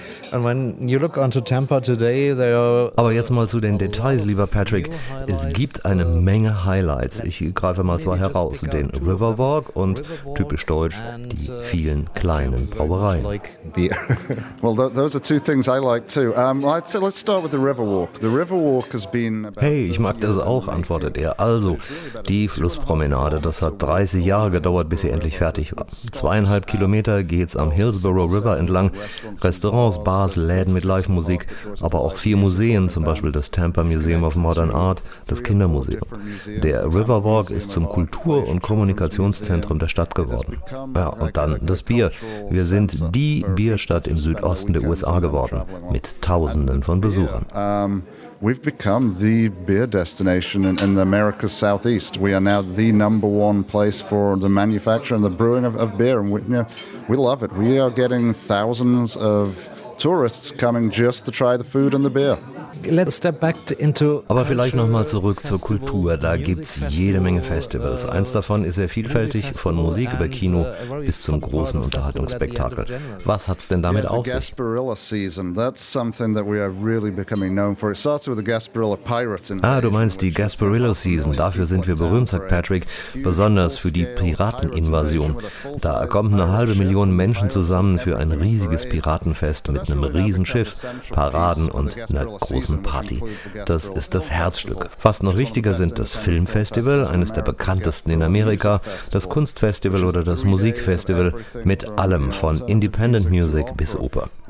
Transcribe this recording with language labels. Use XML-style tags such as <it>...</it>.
<de>Aber jetzt mal zu den Details, lieber Patrick. Es gibt eine Menge Highlights. Ich greife mal zwei heraus. Den Riverwalk und, typisch deutsch, die vielen kleinen Brauereien.</de> <en>Well, those are two things I like too. Let's start with the Riverwalk. The Riverwalk has been...</en> <de>Hey, ich mag das auch, antwortet er. Also, die Flusspromenade, das hat 30 Jahre gedauert, bis sie endlich fertig war. 2,5 Kilometer geht's am Hillsborough River entlang. Restaurants, Bars, Läden mit Live-Musik, aber auch 4 Museen, zum Beispiel das Tampa Museum of Modern Art, das Kindermuseum. Der Riverwalk ist zum Kultur- und Kommunikationszentrum der Stadt geworden. Ja, und dann das Bier. Wir sind die Bierstadt im Südosten der USA geworden, mit Tausenden von Besuchern.</de> <en>We've become the beer destination in the America's Southeast. We are now the number one place for the manufacture and the brewing of beer. And we love it. We are getting thousands of tourists coming just to try the food and the beer. Let's step back into.</en> <de>Aber vielleicht nochmal zurück zur Kultur. Da gibt es jede Menge Festivals. Eins davon ist sehr vielfältig, von Musik über Kino bis zum großen Unterhaltungsspektakel. Was hat es denn damit auf sich?</de> <en>The Gasparilla Season, that's something that we are really becoming known for. It starts with the Gasparilla Pirates.</en> <de>Ah, du meinst die Gasparilla Season. Dafür sind wir berühmt, sagt Patrick. Besonders für die Pirateninvasion. Da kommt eine halbe Million Menschen zusammen für ein riesiges Piratenfest mit einem Riesenschiff, Paraden und einer großen Party. Das ist das Herzstück. Fast noch wichtiger sind das Filmfestival, eines der bekanntesten in Amerika, das Kunstfestival oder das Musikfestival, mit allem von Independent Music bis Oper.</de>